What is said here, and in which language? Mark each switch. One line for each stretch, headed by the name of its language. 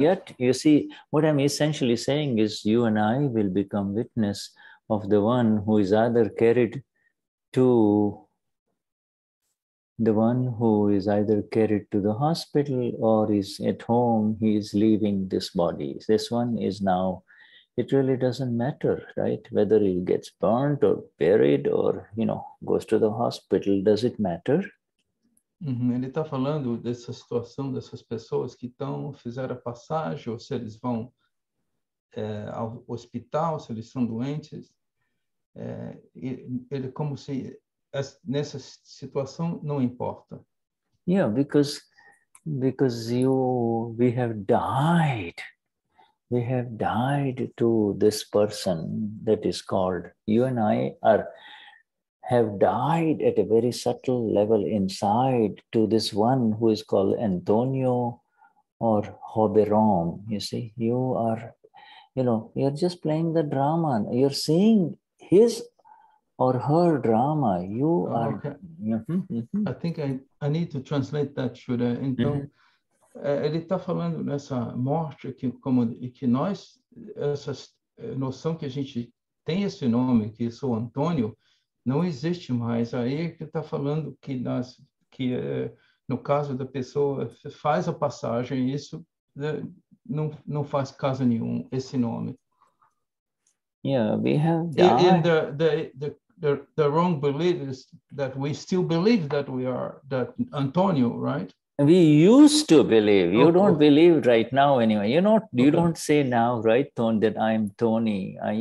English: Yet, you see, what I'm essentially saying is you and I will become witness of the one who is either carried to the one who is either carried to the hospital or is at home, he is leaving this body. This one is now, it really doesn't matter, right? Whether he gets burnt or buried or, you know, goes to the hospital, does it matter? Uhum.
Portuguese: Ele está falando dessa situação dessas pessoas que estão fizeram a passagem, ou se eles vão ao hospital, se eles são doentes. Ele como se nessa situação não importa.
English: Yeah, because you we have died to this person that is called you and I are. Have died at a very subtle level inside to this one who is called Antonio or Hoberom. You see, you're just playing the drama. You're seeing his or her drama. You are. Okay. Mm-hmm. I think I need to translate that, Shuddha.
Portuguese: Então, mm-hmm. Ele está falando nessa morte que como que nós essa noção que a gente tem esse nome que sou Antonio. Não existe mais. Aí é que está falando que, nas, que no caso da pessoa faz a passagem, isso não faz caso nenhum, esse nome.
English: Yeah, we have died. And the wrong belief is that we still believe that we are that Antonio, right? We used to believe. You don't believe right now anyway. You're not, you don't say now, right, Tony, that I'm Tony.